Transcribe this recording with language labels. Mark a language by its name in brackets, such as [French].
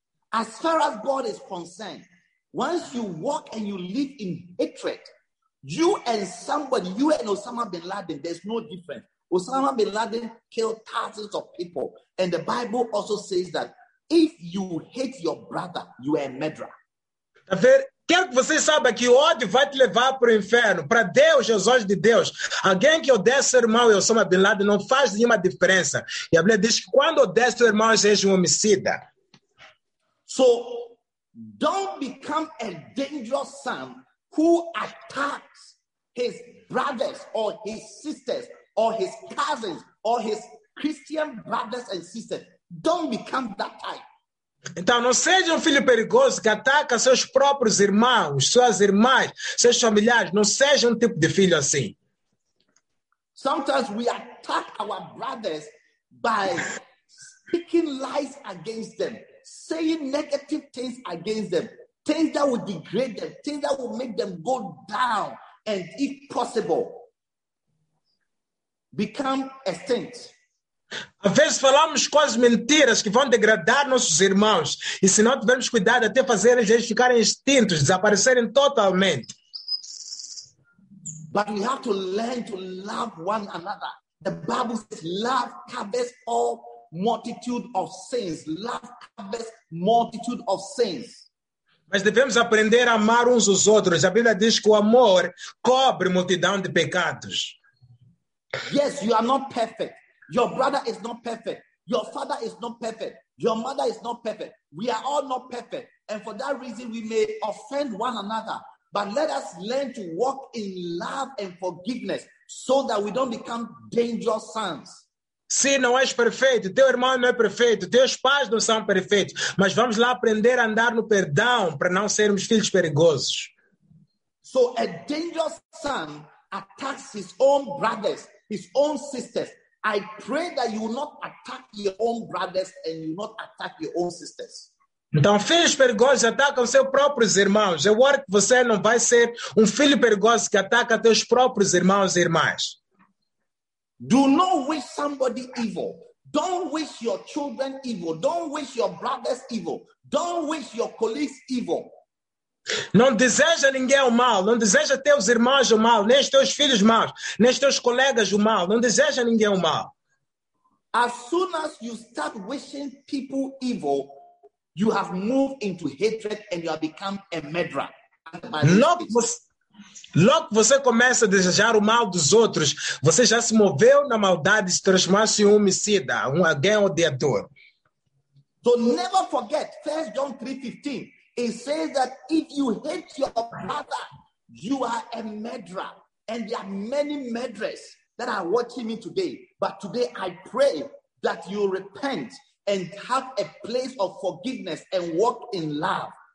[English] As far as God is concerned, once you walk and you live in hatred, you and somebody, you and Osama bin Laden, there's no difference. Osama bin Laden killed thousands of people. And the Bible also says that if you hate your brother, you are a murderer. [Portuguese] Quero que você saiba que o ódio vai te levar para o inferno. Para Deus, aos olhos de Deus, alguém que odeia seu irmão e Osama bin Laden não faz nenhuma diferença. E a Bíblia diz que quando odeia seu irmão, seja um homicida. [English] So, don't become a dangerous son who attacks his brothers or his sisters or his cousins or his Christian brothers and sisters. Don't become that type. [Portuguese] Então, não seja um filho perigoso que ataca seus próprios irmãos, suas irmãs, seus familiares. Não seja um tipo de filho assim. [English] Sometimes we attack our brothers by speaking lies against them, saying negative things against them, things that will degrade them, things that will make them go down, and if possible, become extinct. [Portuguese] Às vezes falamos coisas mentiras que vão degradar nossos irmãos e se não tivermos cuidado até fazer eles ficarem extintos, desaparecerem totalmente. [English] But we have to learn to love one another. The Bible says love covers all multitude of sins. Love covers multitude of sins. [Portuguese] Mas devemos aprender a amar uns aos outros. A Bíblia diz que o amor cobre multidão de pecados. [English] Yes, you are not perfect. Your brother is not perfect. Your father is not perfect. Your mother is not perfect. We are all not perfect. And for that reason, we may offend one another. But let us learn to walk in love and forgiveness so that we don't become dangerous sons. [Portuguese] Se não és perfeito, teu irmão não é perfeito, teus pais não são perfeitos, mas vamos lá aprender a andar no perdão para não sermos filhos perigosos. [English] So a dangerous son attacks his own brothers, his own sisters. I pray that you will not attack your own brothers and you will not attack your own sisters. [Portuguese] Então, filhos perigosos atacam seus próprios irmãos. Eu oro que você não vai ser um filho perigoso que ataca seus próprios irmãos e irmãs. [English] Do not wish somebody evil. Don't wish your children evil. Don't wish your brothers evil. Don't wish your colleagues evil. [Portuguese] Não deseja ninguém o mal, não deseja teus irmãos o mal, nem os teus filhos o mal, nem os teus colegas o mal, não deseja ninguém o mal. [English] As soon as you start wishing people evil, you have moved into hatred and you have become a murderer. [Portuguese] Logo que você começa a desejar o mal dos outros, você já se moveu na maldade e se transformou em um homicida, alguém odiador. [English] So never forget 1 John 3:15. It says that if you hate your brother, you are a murderer. And there are many murderers that are watching me today. But today I pray that you repent and have a place of forgiveness and walk in love.